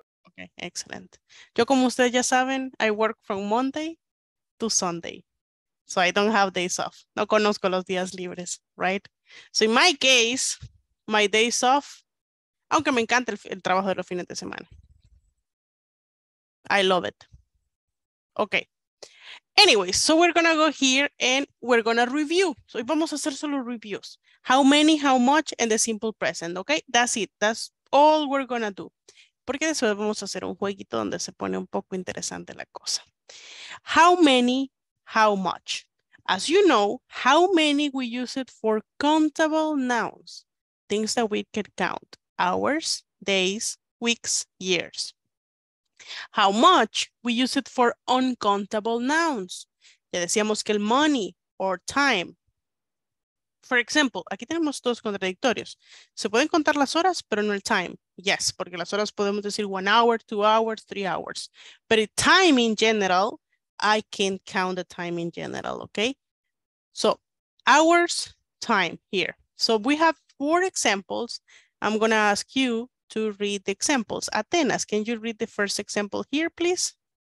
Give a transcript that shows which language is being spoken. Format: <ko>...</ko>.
<en>Okay, excellent. Yo, como ustedes ya saben, I work from Monday to Sunday. So I don't have days off.</en> <es>No conozco los días libres,</es> <en>right? So in my case, my days off,</en> <es>aunque me encanta el trabajo de los fines de semana.</es> <en>I love it. Okay. Anyway, so we're going to go here and we're going to review. So</en> <es>vamos a hacer solo</es> <en>reviews. How many, how much, and the simple present, okay? That's it. That's all we're going to do.</en> <es>Porque después vamos a hacer un jueguito donde se pone un poco interesante la cosa.</es> <en>How many, how much? As you know, how many we use it for countable nouns. Things that we can count. Hours, days, weeks, years. How much we use it for uncountable nouns.</en> <es>Ya decíamos que el</es> <en>money or time. For example,</en> <es>aquí tenemos dos contradictorios. Se pueden contar las horas, pero no el time. Yes, porque las horas podemos decir</es> <en>1 hour, 2 hours, 3 hours. But time in general, I can't count the time in general, okay? So hours, time here. So we have 4 examples. I'm gonna ask you to read the examples. Athenas, can you read the first example here, please?</en>